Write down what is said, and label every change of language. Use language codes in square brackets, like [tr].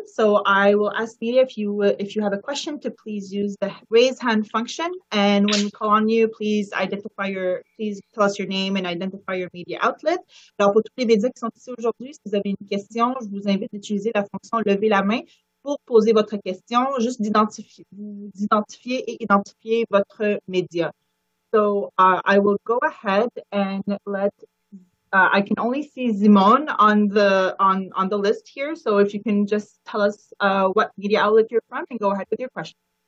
[en] So I will ask media if you have a question to please use the raise hand function. And when we call on you, please tell us your name and identify your media outlet. [fr] Alors pour tous les médias qui sont ici aujourd'hui, si vous avez une question, je vous invite d'utiliser la fonction lever la main pour poser votre question, juste d'identifier votre média. [en] So I will go ahead and let I can only see Simone on the list here. So if you can just tell us what media outlet you're from and go ahead with your question.